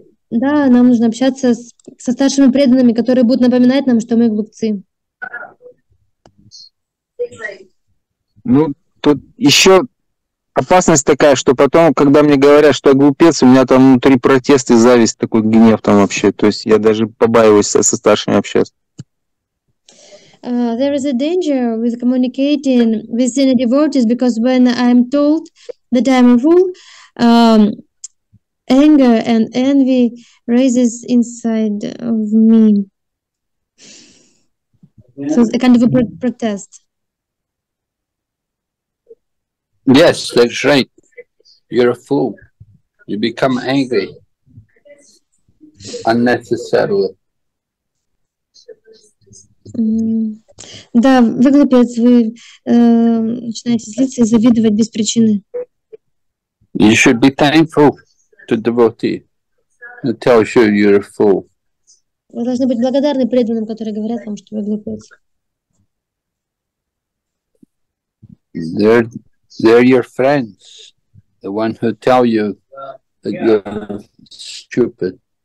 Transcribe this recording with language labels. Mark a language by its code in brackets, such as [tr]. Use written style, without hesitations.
[ru] Да, нам нужно общаться со старшими преданными, которые будут напоминать нам, что мы глупцы. Ну, тут еще опасность такая, что потом, когда мне говорят, что я глупец, у меня там внутри протест и зависть, такой гнев там вообще. То есть я даже побаиваюсь со старшими общаться. [en] There is a danger with communicating with senior devotees because when I'm told that I'm a fool, anger and envy raises inside of me. So it's a kind of a protest. Yes, that's right. You're a fool. You become angry unnecessarily. [ru] Да, вы глупец, вы начинаете злиться и завидовать без причины. [en] You should be thankful to devotee who tells you you're a fool. [ru] Вы должны быть благодарны преданным, которые говорят вам, что вы глупец. [en] They're your friends, the one who tell you that you're stupid.